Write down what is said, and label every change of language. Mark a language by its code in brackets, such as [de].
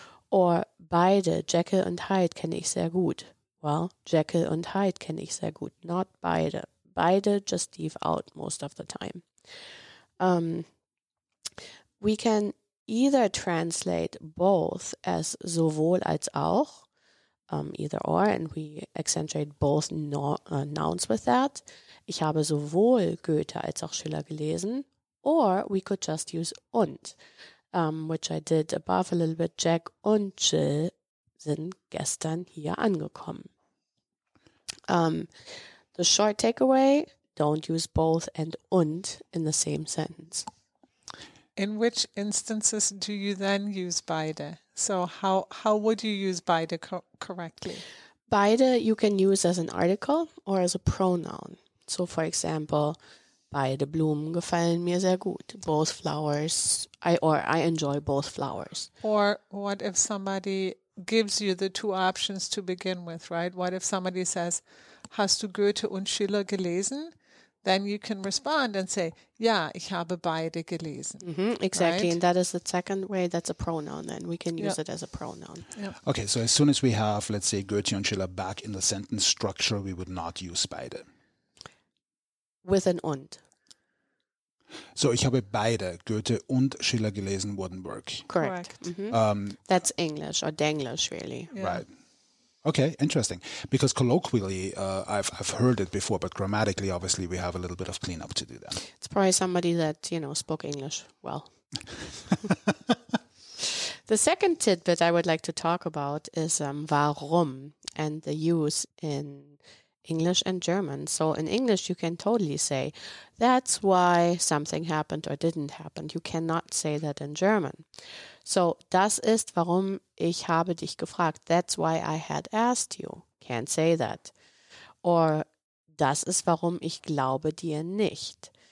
[de] Or beide, Jekyll und Hyde, kenne ich sehr gut. Well, Jekyll und Hyde kenne ich sehr gut. [en] Not beide. Beide just leave out most of the time. We can either translate both as [de] sowohl als auch, [en] either or, and we accentuate both nouns with that. [de] Ich habe sowohl Goethe als auch Schiller gelesen. [en] Or we could just use und, which I did above a little bit. [de] Jack und Jill sind gestern hier angekommen. [en] The short takeaway, don't use both and in the same sentence. In which instances do you then use beide? So how would you use beide correctly? Beide you can use as an article or as a pronoun. So for example, [de] beide Blumen gefallen mir sehr gut. [en] Both flowers, I enjoy both flowers. Or what if somebody gives you the two options to begin with, right? What if somebody says, [de] hast du Goethe und Schiller gelesen? [en] Then you can respond and say, [de] ja, ich habe beide gelesen. [en] Mm-hmm, exactly, right? And that is the second way. That's a pronoun then. We can use it as a pronoun. Yep. Okay, so as soon as we have, let's say, Goethe und Schiller back in the sentence structure, we would not use beide. With an und. So, [de] ich habe beide, Goethe und Schiller gelesen, [en] wouldn't work. Correct. Mm-hmm. That's English or Denglish, really. Yeah. Right. Okay, interesting. Because colloquially, I've heard it before, but grammatically, obviously, we have a little bit of cleanup to do that. It's probably somebody that, you know, spoke English well. The second tidbit I would like to talk about is warum and the use in English and German. So in English, you can totally say, that's why something happened or didn't happen. You cannot say that in German. [de] So das ist, warum ich habe dich gefragt. [en] That's why I had asked you. Can't say that. Or [de] das ist, warum ich glaube dir nicht.